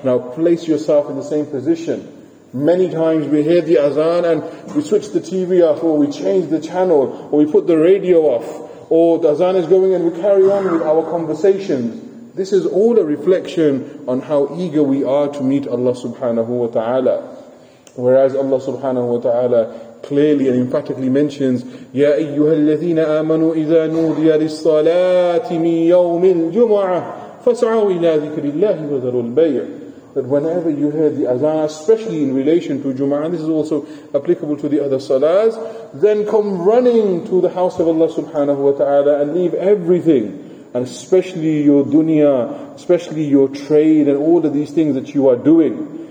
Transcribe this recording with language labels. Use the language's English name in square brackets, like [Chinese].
[English] Now place yourself in the same position. Many times we hear the azan and we switch the TV off, or we change the channel, or we put the radio off, or the azan is going and we carry on with our conversations. This is all a reflection on how eager we are to meet Allah subhanahu wa ta'ala. Whereas Allah subhanahu wa ta'ala clearly and emphatically mentions, [Arabic] يَا أَيُّهَا الَّذِينَ آمَنُوا إِذَا نُوذِيَ لِلصَّلَاةِ مِنْ يَوْمِ الْجُمُعَةِ فَسَعَوْا إِلَىٰ ذِكْرِ اللَّهِ وَذَرُوا الْبَيْعِ. [English] That whenever you hear the azan, especially in relation to Jum'ah, and this is also applicable to the other salahs, then come running to the house of Allah subhanahu wa ta'ala and leave everything, and especially your dunya, especially your trade and all of these things that you are doing.